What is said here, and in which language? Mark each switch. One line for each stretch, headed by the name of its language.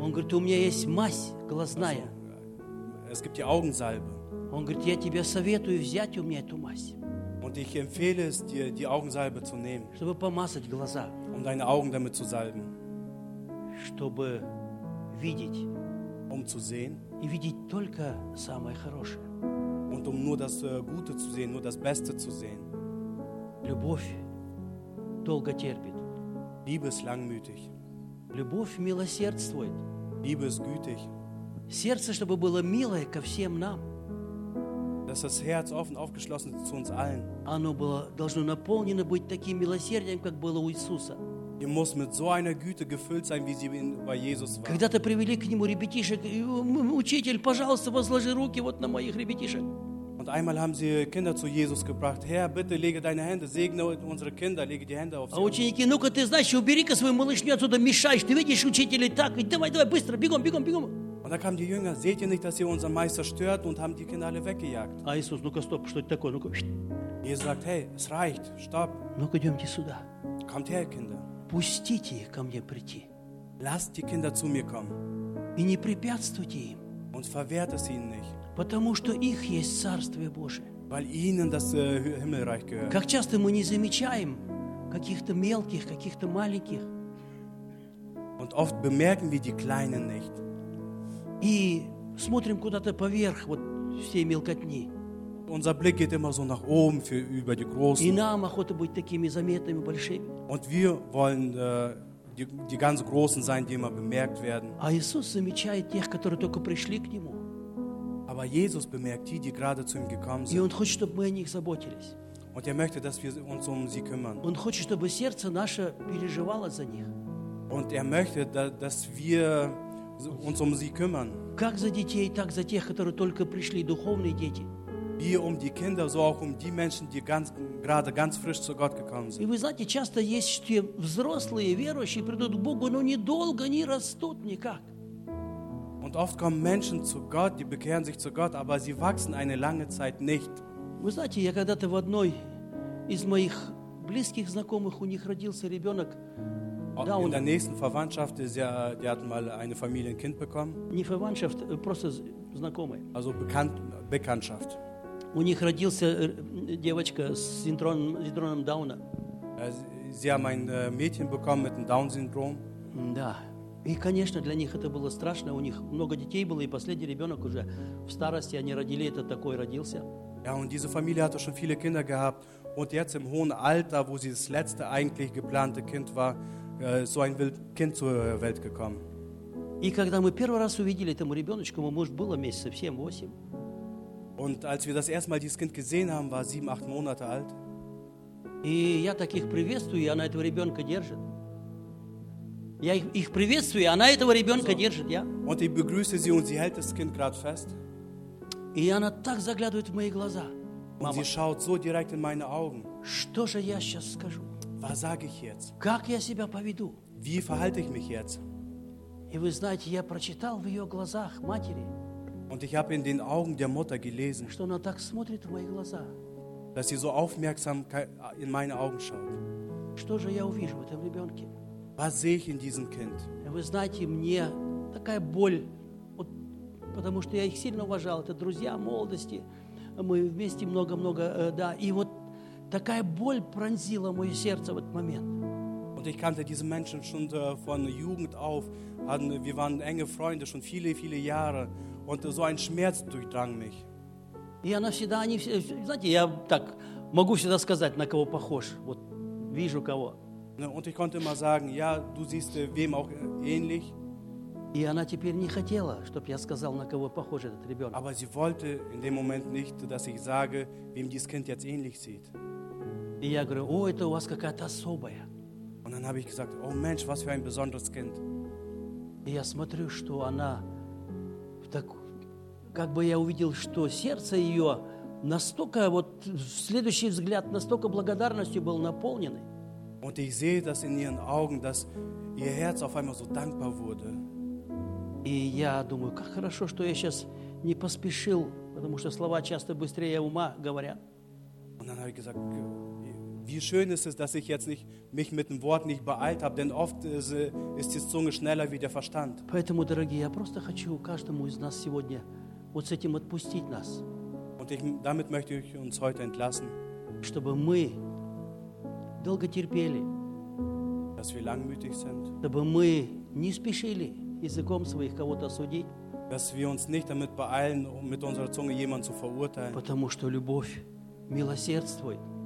Russian: Он говорит, у меня есть мазь глазная.
German: Es gibt die Augensalbe.
Russian: Он говорит, я тебе советую взять у меня эту мазь.
German: Und ich empfehle es dir, die Augensalbe zu nehmen.
Russian: Чтобы помазать глаза.
German: Deine Augen damit zu salben.
Russian: Чтобы видеть.
German: Zu sehen.
Russian: И видеть только самое хорошее.
German: Und nur das Gute zu sehen, nur das Beste zu sehen.
Russian: Любовь долго терпит.
German: Liebe ist langmütig.
Russian: Любовь милосердствует.
German: Liebe ist gütig.
Russian: Сердце, чтобы было милое ко всем нам.
German: Dass das Herz offen aufgeschlossen ist zu uns allen.
Russian: Оно было, должно наполнено быть таким милосердием, как было у Иисуса.
German: Ihr müsst mit so einer Güte gefüllt sein, wie sie bei Jesus war.
Russian: Когда-то привели к нему ребятишек, учитель, пожалуйста, возложи руки вот на моих ребятишек.
German: Und einmal haben sie Kinder zu Jesus gebracht. Herr, bitte lege deine Hände, segne unsere Kinder, lege die Hände auf sie.
Russian: А ученики, ну-ка ты, значит, убери-ка свою малышню отсюда, мешаешь. Ты видишь, учитель, и так, давай, быстро, бегом.
German: Und dann kamen die Jünger, seht ihr nicht, dass ihr unseren Meister stört, und haben die Kinder alle weggejagt.
Russian: А Иисус, ну-ка, стоп, что это такое, ну-ка.
German: Jesus sagt, hey, es reicht, stopp.
Russian: Ну-ка, идемте сюда.
German: Kommt her, Kinder.
Russian: Пустите ко мне прийти.
German: Lasst die Kinder zu mir kommen.
Russian: И не препятствуйте им.
German: Und verwehrt es ihnen nicht.
Russian: Потому что их есть Царствие Божие.
German: Weil ihnen das Himmelreich gehört.
Russian: Как часто мы не замечаем каких-то мелких, каких-то маленьких.
German: Und oft bemerken wir die Kleinen nicht.
Russian: И смотрим куда-то поверх вот всей мелкотни.
German: Unser Blick geht immer so nach oben für über die Großen.
Russian: И нам охота быть такими заметными, большими.
German: Und wir wollen die ganz Großen sein, die immer bemerkt werden.
Russian: А Иисус замечает тех, которые только пришли к Нему.
German: Aber Jesus bemerkt die gerade zu ihm gekommen sind.
Russian: И Он хочет, чтобы мы о них заботились.
German: Und möchte, dass wir uns sie kümmern.
Russian: Он хочет, чтобы сердце наше переживало за них.
German: Und möchte, dass wir uns sie kümmern.
Russian: Как за детей, так за тех, которые только пришли, духовные дети.
German: Wie die Kinder, so auch die Menschen, die ganz frisch zu Gott gekommen sind.
Russian: И вы знаете, часто есть, что взрослые верующие придут к Богу, но недолго, не растут никак.
German: Und oft kommen Menschen zu Gott, die bekehren sich zu Gott, aber sie wachsen eine lange Zeit nicht.
Russian: Вы знаете, я когда-то в одной из моих близких знакомых у них родился ребенок.
German: Да, in der nächsten Verwandtschaft ist ja, die hatten mal eine Familie ein Kind bekommen.
Russian: Не Verwandtschaft, просто знакомые.
German: Also bekannt, Bekanntschaft.
Russian: У них родился девочка с синдромом Дауна.
German: Sie haben ein Mädchen bekommen mit dem Down-Syndrom.
Russian: Да. И, конечно, для них это было страшно. У них много детей было, и последний ребенок уже в старости они родили, этот такой родился.
German: Ja, und diese Familie hatte schon viele Kinder gehabt. Und jetzt im hohen Alter, wo sie das letzte eigentlich geplante Kind war, so ein Kind zur Welt gekommen.
Russian: И когда мы первый раз увидели этому ребеночку, ему уже было месяцев 7-8.
German: Und als wir das erste Mal dieses Kind gesehen haben, war 7-8 Monate alt.
Russian: И я таких приветствую, и она этого ребенка держит. Я их приветствую, и она этого ребенка держит, я.
German: Und ich begrüße sie und sie hält das Kind gerade fest.
Russian: И она так заглядывает в мои глаза.
German: Und Mama, sie schaut so direkt in meine Augen.
Russian: Что же я сейчас скажу?
German: Was sage ich jetzt?
Russian: Как я себя поведу?
German: Wie verhalte ich mich jetzt?
Russian: И вы знаете, я прочитал в ее глазах матери.
German: Und ich habe in den Augen der Mutter gelesen,
Russian: что она так смотрит в мои глаза.
German: Dass sie so aufmerksam in meine Augen schaut.
Russian: Что же я увижу в этом ребенке?
German: Was sehe ich in diesem Kind?
Russian: Вы знаете, мне такая боль, вот, потому что я их сильно уважал, это друзья молодости, мы вместе много-много, да, и вот такая боль пронзила мое сердце в этот момент.
German: Und ich kannte diese Menschen schon von Jugend auf, wir waren enge Freunde schon viele, viele Jahre, und so ein Schmerz durchdrang mich.
Russian: Я навсегда, они, знаете, я так могу всегда сказать, на кого похож, вот вижу кого.
German: Und ich konnte immer sagen, ja, du siehst wem auch ähnlich.
Russian: И она теперь не хотела, чтобы я сказал, на кого похож этот ребенок.
German: Aber sie wollte in dem Moment nicht, dass ich sage, wem dieses Kind jetzt ähnlich sieht.
Russian: И я говорю, о, это у вас какая-то особая.
German: Und dann habe ich gesagt, oh Mensch, was für ein besonderes Kind.
Russian: И я смотрю, что она в такую, как бы я увидел, что сердце ее настолько, вот в следующий взгляд, настолько благодарностью было наполнено.
German: Und ich sehe das in ihren Augen, dass ihr Herz auf einmal so dankbar wurde.
Russian: И я думаю, как хорошо, что я сейчас не поспешил, потому что слова часто быстрее ума говорят.
German: Und dann habe ich gesagt, wie schön ist es, dass ich jetzt nicht, mich mit dem Wort nicht beeilt habe, denn oft ist die Zunge schneller wie der Verstand.
Russian: Поэтому, дорогие, я просто хочу каждому из нас сегодня вот с этим отпустить нас.
German: Und ich, damit möchte ich uns heute entlassen.
Russian: Чтобы мы долго терпели.
German: Dass wir langmütig sind.
Russian: Чтобы мы не спешили языком своих кого-то судить.
German: Dass wir uns nicht damit beeilen, um mit unserer Zunge jemanden zu verurteilen.
Russian: Потому что любовь милосердствует.